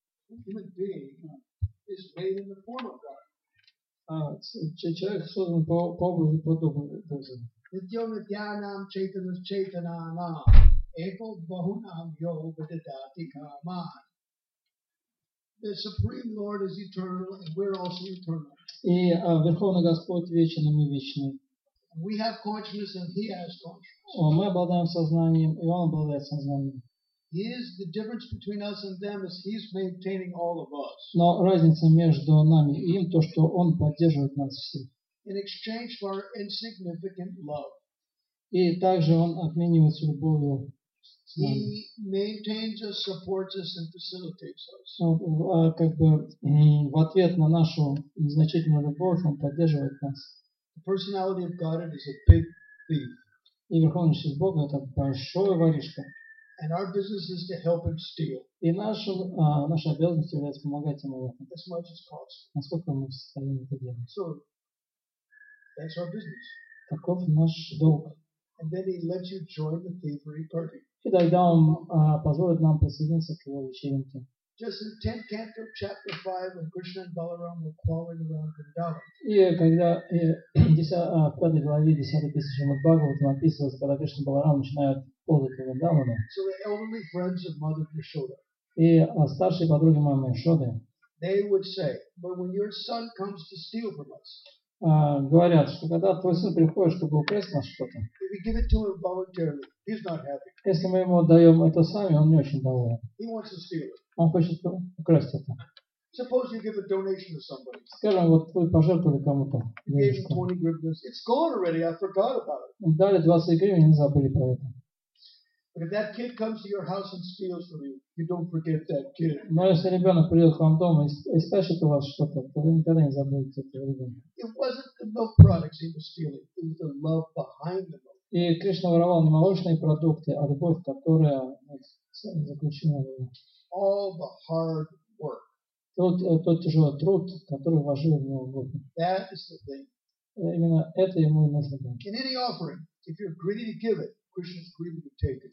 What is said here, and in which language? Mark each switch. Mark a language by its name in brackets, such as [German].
[English] Human being is made in the form of God. [Russian] Человек создан по образу подобию Божию. [Sanskrit] Нитьям нитьянам чайтанам чайтанам эпал бахунам йога дадати каман. [English] The Supreme Lord is eternal and we're also eternal. [Russian] И Верховный Господь вечен и мы вечны. [English] We have consciousness and he has consciousness. [Russian] Мы обладаем сознанием и он обладает сознанием. [English] Is the difference between us and them is he's maintaining all of us. [Russian] Но разница между нами и им то, что он поддерживает нас всех. [English] In exchange for our insignificant love. [Russian] И также он обменивается любовью. [English] He maintains us, supports us, and facilitates us. [Russian] Как бы в ответ на нашу незначительную любовь он поддерживает нас. [English] The personality of God is a big thief. [Russian] И Верховный Бог это большой воришка. [English] And our business is to help him steal. [Russian] И наша обязанность является помогать ему. [English] As much as possible. [Russian] Насколько мы в состоянии это делать. [English] So, that's our business. [Russian] Таков наш долг. [English] And then he lets you join the thievery party. [Russian] И тогда он позволит нам присоединиться к его вечеринке. [English] Just in 10th canto, chapter 5, when Krishna and Balaram were crawling around Vrindavan. [Russian] И когда в 5 главе 10 писания Бхагаватам описывается, когда Кришна и Баларам начинают ползать Вриндавану. [English] So the elderly friends of Mother Yashoda. [Russian] И старшие подруги мамы Яшоды. [English] They would say, but when your son comes to steal from us. [Russian] Говорят, что когда твой сын приходит, чтобы украсть нас что-то. [English] If we give it to him voluntarily, he's not happy. [Russian] Если мы ему отдаем это сами, он не очень доволен. [English] He wants to steal it. [Russian] Он хочет украсть это. [English] Suppose you give a donation to somebody. [Russian] Скажем, вот вы пожертвовали кому-то. [English] It's gone already. I forgot about it. [Russian] Дали 20 гривен и не забыли про это. [English] But if that kid comes to your house and steals from you, you don't forget that kid. [Russian] Но если ребенок придет к вам дома и спрячет у вас что-то, то вы никогда не забудете этого ребенка. [English] It wasn't the milk products he was stealing. It was the love behind the milk. [Russian] И Кришна воровал не молочные продукты, а любовь, которая заключена в нем. [English] All the hard work. [Russian] Тот тяжелый труд, который вложили в него в год. [English] That is the thing. [Russian] Именно это ему и нужно дать. [English] In any offering, if you're greedy to give it, Krishna is greedy to take it.